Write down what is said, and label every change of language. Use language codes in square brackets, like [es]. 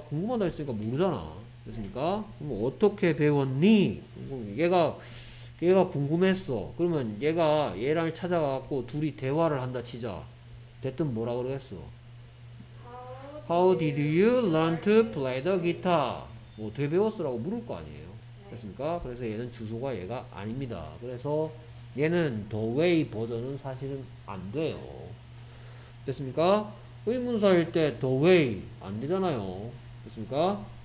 [ko] 궁금하다 했으니까 모르잖아. 됐습니까? 그럼 어떻게 배웠니? 얘가 궁금했어. 그러면 얘가 얘랑 찾아가서 둘이 대화를 한다 치자. 됐든 뭐라 그러겠어? [en] How did you learn to play the guitar? [ko] 뭐 어떻게 배웠어라고 물을 거 아니에요. 됐습니까? 그래서 얘는 주소가 얘가 아닙니다. 그래서 얘는 the way 버전은 사실은 안 돼요. 됐습니까? 의문사일 때 the way 안 되잖아요. 됐습니까?